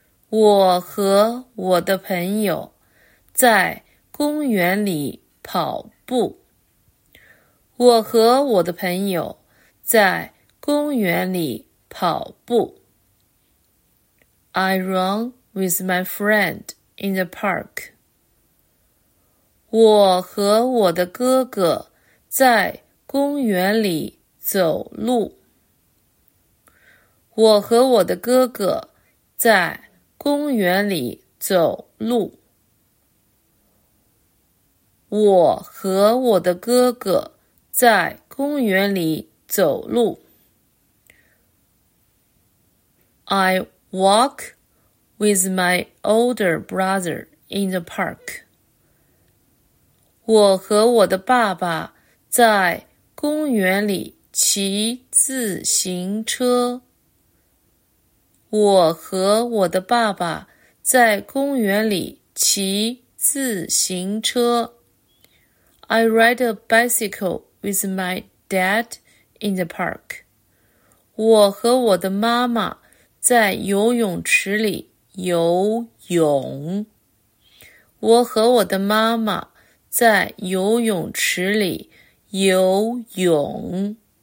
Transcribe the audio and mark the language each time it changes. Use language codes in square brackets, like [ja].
[zh] 我和我的朋友在公园里跑步。我和我的朋友在公园里跑步。 [en] I run with my friend in the park. [zh] 我和我的哥哥在公园里走路。我和我的哥哥在公园里走路。我和我的哥哥在公园里走路。 [en] I walk with my older brother in the park. [zh] 我和我的爸爸在公园里骑自行车。我和我的爸爸在公园里骑自行车。 [en] I ride a bicycle with my dad in the park. [zh] 我和我的妈妈在游泳池里游泳。我和我的妈妈在游泳池里游泳。